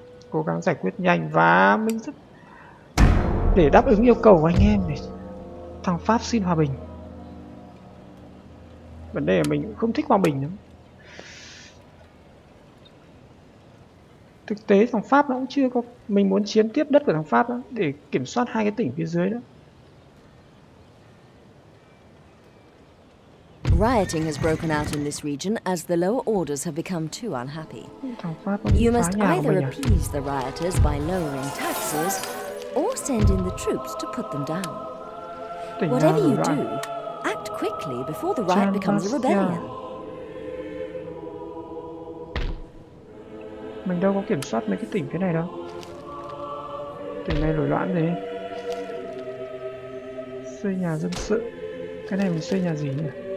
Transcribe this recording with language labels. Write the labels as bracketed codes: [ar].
[vi] Cố gắng giải quyết nhanh. Và mình rất để đáp ứng yêu cầu của anh em này. Thằng Pháp xin hòa bình. Vấn đề là mình cũng không thích hòa bình lắm. Thực tế thằng Pháp nó cũng chưa có. Mình muốn chiếm tiếp đất của thằng Pháp đó, để kiểm soát hai cái tỉnh phía dưới đó. [en] Rioting has broken out in this region as the lower orders have become too unhappy. [vi] Thằng Pháp nó cũng [en] you must either appease the rioters by lowering taxes or send in the troops to put them down. [vi] Tỉnh [en] whatever you [vi] rồi. [en] Do, act quickly before the riot Chantastia. Becomes a rebellion. [vi] Mình đâu có kiểm soát mấy cái tỉnh thế này đâu. Tỉnh này nổi loạn gì. Xây nhà dân sự. Cái này mình xây nhà gì nhỉ?